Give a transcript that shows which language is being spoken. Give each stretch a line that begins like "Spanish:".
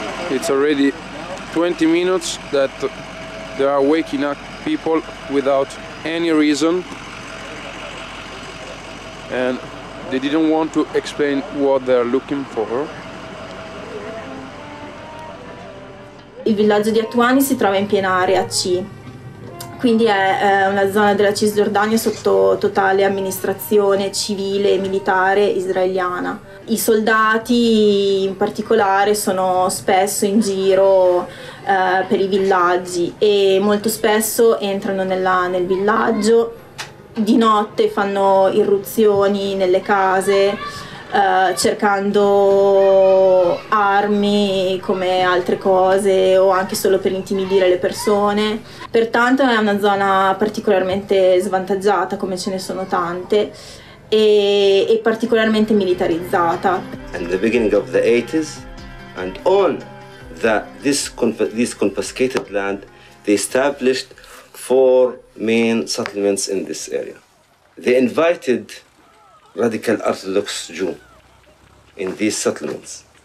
English: It's already 20 minutes that they are waking up people without any reason. And they didn't want to explain what they're looking for.
Italian: Il villaggio di At-Tuwani si trova in piena area C, quindi è una zona della Cisgiordania sotto totale amministrazione civile e militare israeliana. I soldati in particolare sono spesso in giro per i villaggi e molto spesso entrano nel villaggio. Di notte fanno irruzioni nelle case cercando armi come altre cose o anche solo per intimidire le persone. Pertanto è una zona particolarmente svantaggiata, come ce ne sono tante, e particolarmente militarizzata.
English: And the beginning of the 80s and on the this confiscated land they established 4 main settlements in this area. They invited radical Orthodox Jew in these settlements.